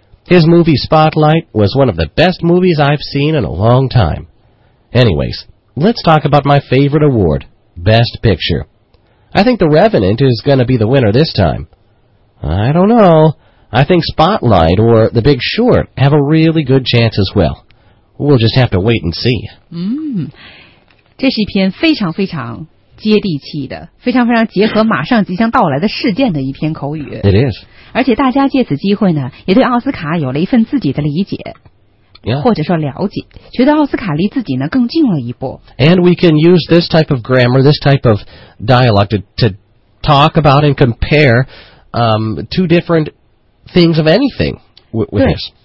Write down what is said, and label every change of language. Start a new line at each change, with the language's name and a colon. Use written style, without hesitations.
English: His movie Spotlight was one of the best movies I've seen in a long time. Anyways, let's talk about my favorite award, Best Picture. I think The Revenant is going to be the winner this time. I don't know. I think Spotlight or The Big Short have a really good chance as well. We'll just have to wait and see.
Chinese: 嗯，这是一篇非常非常接地气的，非常非常结合马上即将到来的事件的一篇口语。
English: It is.
Chinese: 而且大家借此机会呢，也对奥斯卡有了一份自己的理解。
English: Yeah.
Chinese: 或者说了解，觉得奥斯卡离自己呢更近了一步。
English: And we can use this type of grammar, this type of dialogue to talk about and compare two different things of anything with this.